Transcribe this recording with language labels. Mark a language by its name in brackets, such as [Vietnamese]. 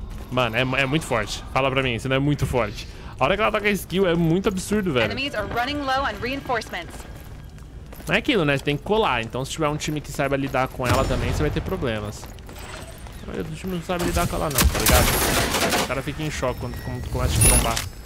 [Portuguese] Mano, é muito forte. Fala pra mim, você não é muito forte. A hora que ela toca a skill é muito absurdo, velho. [English] Enemies are running low on reinforcements. [Portuguese] Não é aquilo, né? Você tem que colar. Então, se tiver um time que saiba lidar com ela também, você vai ter problemas. Olha, o time não sabe lidar com ela, não, tá ligado? O cara fica em choque quando começa a te trombar.